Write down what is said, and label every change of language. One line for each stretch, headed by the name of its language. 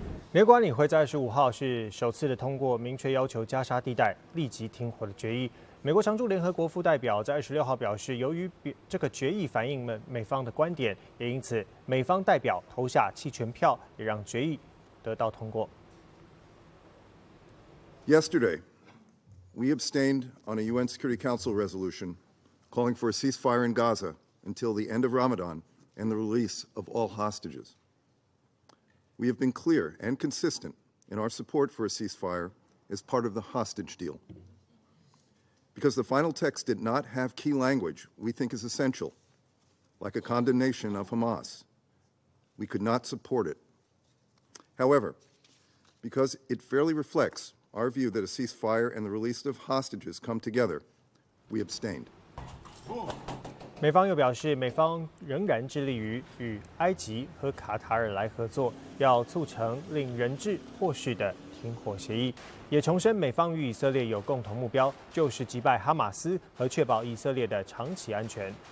Chinese: 美国安理会在25号是首次的通过明确要求加沙地带立即停火的决议。美国常驻联合国副代表在26号表示，由于这个决议反映了美方的观点，也因此美方代表投下弃权票，也让决议得到通过。
English: Yesterday, we abstained on a UN Security Council resolution calling for a ceasefire in Gaza until the end of Ramadan and the release of all hostages. We have been clear and consistent in our support for a ceasefire as part of the hostage deal. Because the final text did not have key language we think is essential, like a condemnation of Hamas, we could not support it. However, because it fairly reflects our view that a ceasefire and the release of hostages come together, we abstained.
Chinese: 美方又表示，美方仍然致力于与埃及和卡塔尔来合作，要促成令人质获释的停火协议，也重申美方与以色列有共同目标，就是击败哈马斯和确保以色列的长期安全。